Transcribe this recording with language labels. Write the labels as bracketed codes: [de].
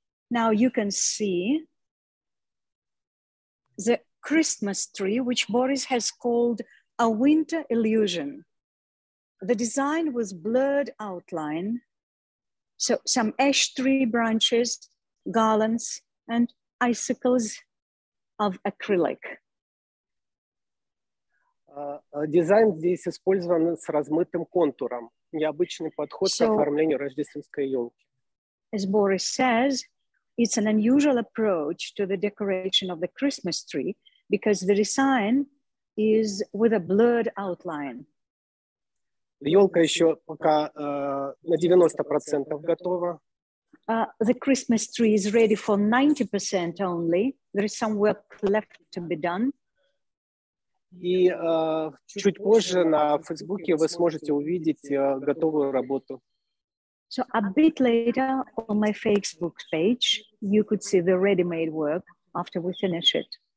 [en] Now you can see the Christmas tree, which Boris has called a winter illusion. The design was blurred outline. So some ash tree branches, garlands, and icicles of acrylic. [ru] Дизайн здесь использован с размытым контуром. Необычный подход к оформлению рождественской елки. [en] As Boris says, it's an unusual approach to the decoration of the Christmas tree because the design is with a blurred outline. [ru] Ёлка ещё пока на 90% готова. [en] The Christmas tree is ready for 90% only. There is some work left to be done. [ru] И чуть позже на Фейсбуке вы сможете увидеть готовую работу. [en] So a bit later on my Facebook page, you could see the ready-made work after we finish it.